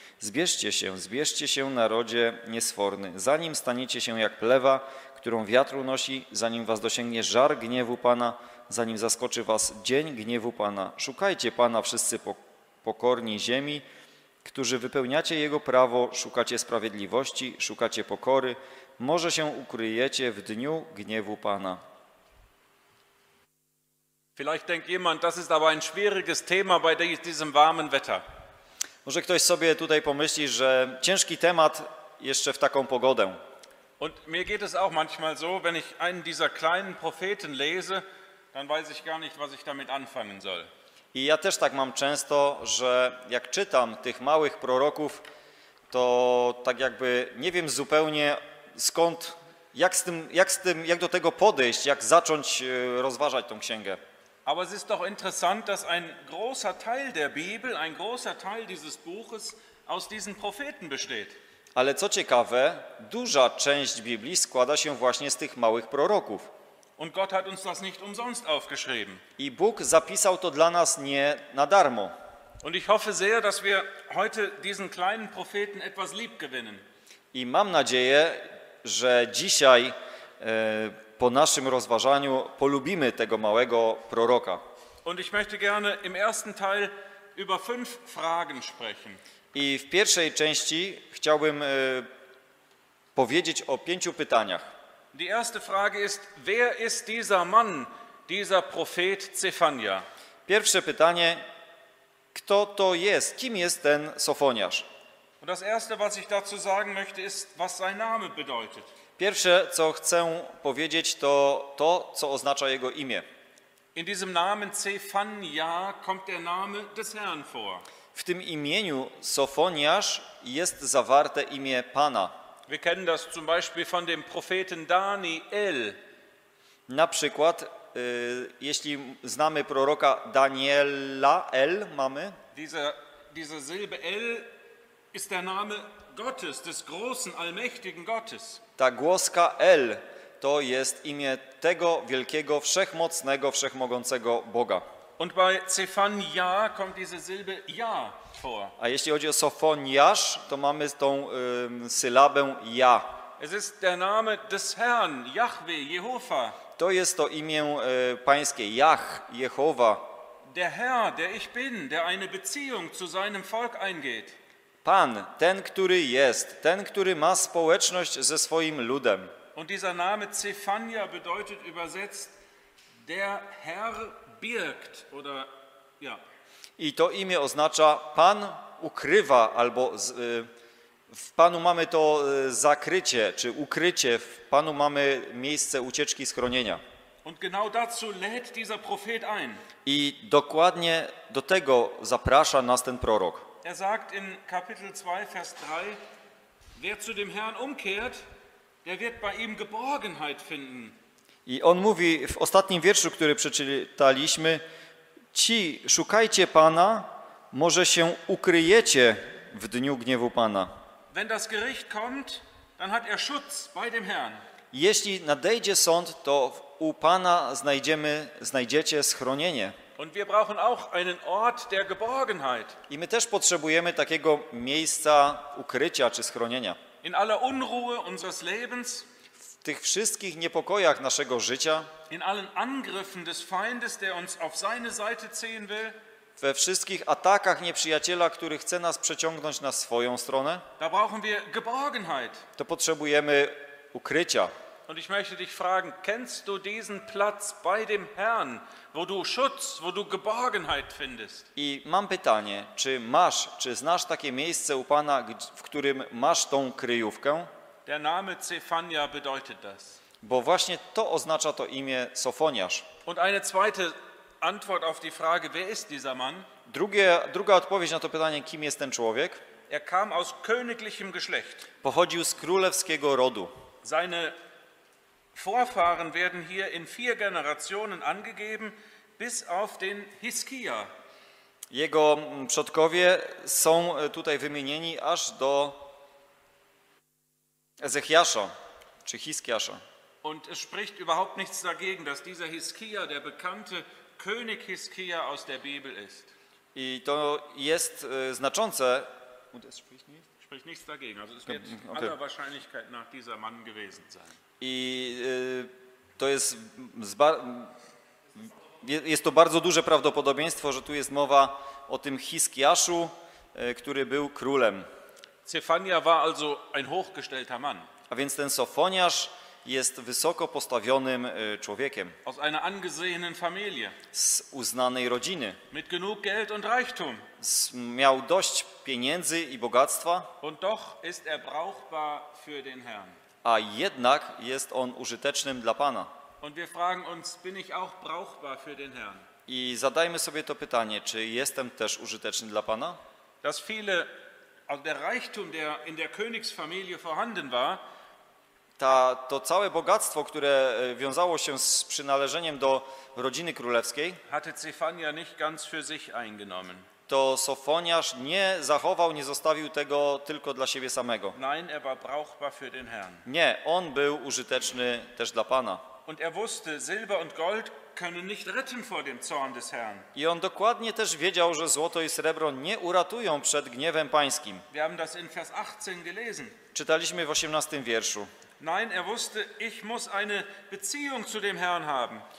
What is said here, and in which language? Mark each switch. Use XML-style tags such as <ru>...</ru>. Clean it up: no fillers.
<pl>Zbierzcie się, narodzie niesforny, zanim staniecie się jak plewa, którą wiatr unosi, zanim was dosięgnie żar gniewu Pana, zanim zaskoczy was dzień gniewu Pana. Szukajcie Pana, wszyscy pokorni ziemi, którzy wypełniacie Jego prawo, szukacie sprawiedliwości, szukacie pokory. Może się ukryjecie w dniu gniewu Pana.</pl> <de>Vielleicht denkt jemand, das ist aber ein schwieriges Thema bei diesem warmen Wetter.</de> <pl>Może ktoś sobie tutaj pomyśli, że ciężki temat jeszcze w taką pogodę.</pl> <de>Und mir geht es auch manchmal so, wenn ich einen dieser kleinen Propheten lese, dann weiß ich gar nicht, was ich damit anfangen soll.</de> <pl>I ja też tak mam często, że jak czytam tych małych proroków, to tak jakby nie wiem zupełnie skąd, jak do tego podejść, jak zacząć rozważać tą księgę.</pl> <de>Aber es ist doch interessant, dass ein großer Teil der Bibel, ein großer Teil dieses Buches aus diesen Propheten besteht.</de> <pl>Ale co ciekawe, duża część Biblii składa się właśnie z tych małych proroków.</pl> <de>Und Gott hat uns das nicht umsonst aufgeschrieben.</de> <pl>I Bóg zapisał to dla nas nie na darmo.</pl> <de>Und ich hoffe sehr, dass wir heute diesen kleinen Propheten etwas lieb gewinnen.</de> <pl>I mam nadzieję, że dzisiaj po naszym rozważaniu polubimy tego małego proroka.</pl> <de>Und ich möchte gerne im ersten Teil über fünf Fragen sprechen.</de> <pl>I w pierwszej części chciałbym powiedzieć o pięciu pytaniach.</pl> <de>Die erste Frage ist, wer ist dieser Mann, dieser Prophet Zefania.</de> <pl>Pierwsze pytanie, kto to jest? Kim jest ten Sofoniasz?</pl> <de>Und das erste, was ich dazu sagen möchte, ist, was sein Name bedeutet.</de> <pl>Pierwsze, co chcę powiedzieć, to to, co oznacza jego imię.</pl> <de>In diesem Namen Zefania kommt der Name des Herrn vor.</de> <pl>W tym imieniu Sofoniasz jest zawarte imię Pana.</pl> <de>Wir kennen das zum Beispiel von dem Propheten Daniel.</de> <pl>Na przykład, jeśli znamy proroka Daniela, El mamy.</pl> <de>Diese Silbe El ist der Name Gottes, des großen, allmächtigen Gottes.</de> <pl>Ta głoska El to jest imię tego wielkiego, wszechmocnego, wszechmogącego Boga.</pl> <de>Und bei Zefania kommt diese Silbe Ja vor.</de> <pl>A jeśli chodzi o Sofoniasz, to mamy tą sylabę Ja.</pl> <de>Es ist der Name des Herrn, Jahwe, Jehova.</de> <pl>To jest to imię Pańskie, Jah, Jehova.</pl> <de>Der Herr, der ich bin, der eine Beziehung zu seinem Volk eingeht.</de> <pl>Pan, ten, który jest, ten, który ma społeczność ze swoim ludem.</pl> <de>Und dieser Name Zefania bedeutet übersetzt der Herr birgt oder ja.</de> <pl>I to imię oznacza Pan ukrywa albo w Panu mamy to zakrycie czy ukrycie, w Panu mamy miejsce ucieczki, schronienia.</pl> <de>Und genau dazu lädt dieser Prophet ein.</de> <pl>I dokładnie do tego zaprasza nas ten prorok.</pl> <de>Er sagt in Kapitel 2 Vers 3: Wer zu dem Herrn umkehrt, der wird bei ihm Geborgenheit finden.</de> <pl>I on mówi w ostatnim wierszu, który przeczytaliśmy, ci szukajcie Pana, może się ukryjecie w dniu gniewu Pana.</pl> <de>Wenn das Gericht kommt, dann hat er Schutz bei dem Herrn.</de> <pl>Jeśli nadejdzie sąd, to u Pana znajdziecie schronienie.</pl> <de>Und wir brauchen auch einen Ort der Geborgenheit.</de> <pl>I my też potrzebujemy takiego miejsca ukrycia czy schronienia.</pl> <de>In aller Unruhe unseres Lebens.</de> <pl>W tych wszystkich niepokojach naszego życia,</pl> <de>in allen Angriffen des Feindes, der uns auf seine Seite ziehen will,</de> <pl>we wszystkich atakach nieprzyjaciela, który chce nas przeciągnąć na swoją stronę,</pl> <de>da brauchen wir Geborgenheit.</de> <pl>To potrzebujemy ukrycia.</pl> <de>Und ich möchte dich fragen, kennst du diesen Platz bei dem Herrn, wo du Schutz, wo du Geborgenheit findest?</de> <pl>I mam pytanie, czy znasz takie miejsce u Pana, w którym masz tą kryjówkę?</pl> <de>Der Name Zefania bedeutet das.</de> <pl>Bo właśnie to oznacza to imię Sofoniasz.</pl> <de>Und eine zweite Antwort auf die Frage, wer ist dieser Mann?</de> <pl>Druga odpowiedź na to pytanie, kim jest ten człowiek?</pl> <de>Er kam aus königlichem Geschlecht.</de> <pl>Pochodził z królewskiego rodu.</pl> <de>Seine Vorfahren werden hier in vier Generationen angegeben, bis auf den Hiskia.</de> <pl>Jego przodkowie są tutaj wymienieni aż do Ezechiasza, czy Hiskiasza.</pl> <de>Und es spricht überhaupt nichts dagegen, dass dieser Hiskia, der bekannte König Hiskia aus der Bibel ist.</de> <pl>I to jest znaczące.</pl> <de>Und es spricht nichts dagegen. Also es wird okay. Aller Wahrscheinlichkeit nach dieser Mann gewesen sein.</de> <pl>I to jest jest to bardzo duże prawdopodobieństwo, że tu jest mowa o tym Hiskiaszu, który był królem.</pl> <de>Zefania war also ein hochgestellter Mann.</de> <pl>A więc ten Sofoniasz jest wysoko postawionym człowiekiem.</pl> <de>Aus einer angesehenen Familie.</de> <pl>Z uznanej rodziny.</pl> <de>Mit genug Geld und Reichtum.</de> <pl>Miał dość pieniędzy i bogactwa.</pl> <de>Und doch ist er brauchbar für den Herrn.</de> <pl>A jednak jest on użytecznym dla Pana.</pl> <de>Und wir fragen uns, bin ich auch brauchbar für den Herrn?</de> <pl>I zadajmy sobie to pytanie, czy jestem też użyteczny dla Pana?</pl> <de>Dass viele Also der Reichtum, der in der Königsfamilie vorhanden war,</de> <pl>to całe bogactwo, które wiązało się z przynależeniem do rodziny królewskiej,</pl> <de>hatte Zefania nicht ganz für sich eingenommen.</de> <pl>To Sofoniasz nie zachował, nie zostawił tego tylko dla siebie samego.</pl> <de>Nein, er war brauchbar für den Herrn.</de> <pl>Nie, on był użyteczny też dla Pana.</pl> <de>Und er wusste, Silber und Gold können nicht retten vor dem Zorn des Herrn.</de> <pl>I on dokładnie też wiedział, że złoto i srebro nie uratują przed gniewem Pańskim.</pl> <de>Wir haben das in Vers 18 gelesen.</de> <pl>Czytaliśmy w 18 wierszu.</pl> <de>Nein, er wusste, ich muss eine Beziehung zu dem Herrn haben.</de>